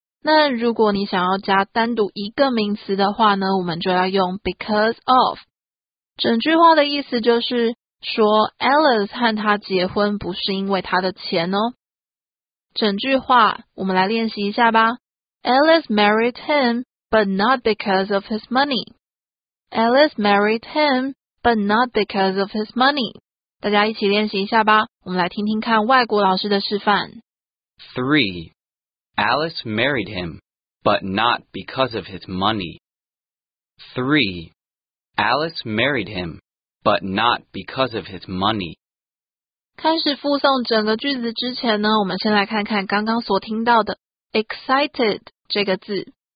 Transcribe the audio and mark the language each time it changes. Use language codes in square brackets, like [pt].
[zh] 那如果你想要加单独一个名词的话呢，我们就要用 because of。整句话的意思就是说 Alice 和他结婚不是因为他的钱哦。整句话我们来练习一下吧。 [en] Alice married him but not because of his money. Alice married him but not because of his money. [zh] 大家一起练习一下吧，我们来听听看外国老师的示范。 [en] 3. Alice married him, but not because of his money. 3. Alice married him, but not because of his money. [zh] 开始复诵整个句子之前呢，我们先来看看刚刚所听到的 excited 这个字。